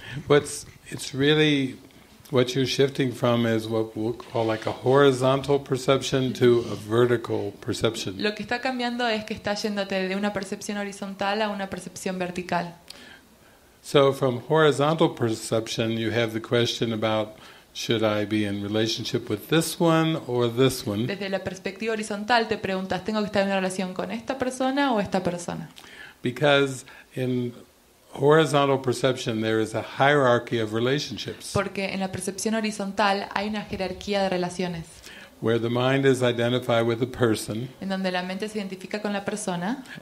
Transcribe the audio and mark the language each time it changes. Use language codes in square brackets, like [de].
[en] It's really what you're shifting from is what we'll call like a horizontal perception to a vertical perception. [es] Lo que está cambiando es que está yéndote de una percepción horizontal a una percepción vertical. [en] So from horizontal perception you have the question about should I be in relationship with this one or this one? [es] Desde la perspectiva horizontal te preguntas, ¿tengo que estar en una relación con esta persona o esta persona? [en] Because in horizontal perception there is a hierarchy of relationships. [es] Porque en la percepción horizontal hay una jerarquía de relaciones. [en] Where the mind is identified with a person. [es] En donde la mente se identifica con la persona.